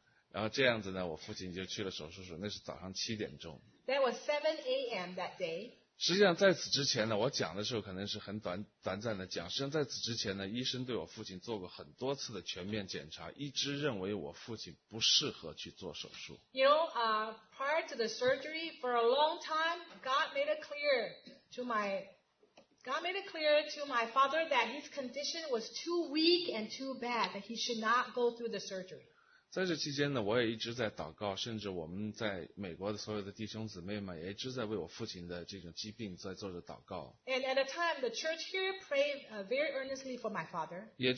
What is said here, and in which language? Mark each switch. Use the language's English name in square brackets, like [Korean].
[Chinese] 然后这样子呢，我父亲就去了手术室。那是早上七点钟。 [English] That was 7 a.m. that day. [Chinese] 实际上在此之前呢，我讲的时候可能是很短暂的讲。实际上在此之前呢，医生对我父亲做过很多次的全面检查，一直认为我父亲不适合去做手术。 [English] You know, prior to the surgery, for a long time, God made it clear to my father that his condition was too weak and too bad that he should not go through the surgery. [Chinese] 在这期间呢，我也一直在祷告，甚至我们在美国的所有的弟兄姊妹们也一直在为我父亲的这种疾病在做着祷告。 [English] And at the time, the church here prayed very earnestly for my father.